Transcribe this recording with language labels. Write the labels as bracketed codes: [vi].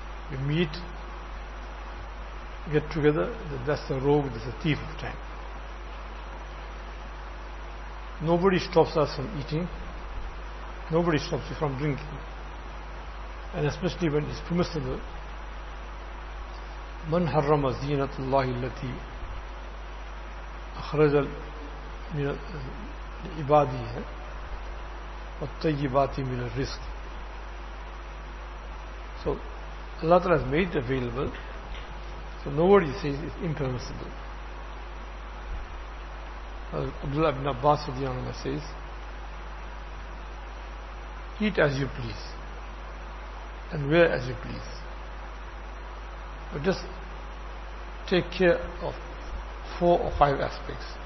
[en] We meet, get together, that's the rogue, that's the thief of time. Nobody stops us from eating. Nobody stops you from drinking. And especially when it's permissible. [ar] من حرم زينة الله التي أخرج من عباده والطيبات من الرزق. [en] So Allah Ta'ala has made it available. So nobody says it's impermissible. Abdullah ibn Abbas says, eat as you please and wear as you please, but just take care of 4 or 5 aspects.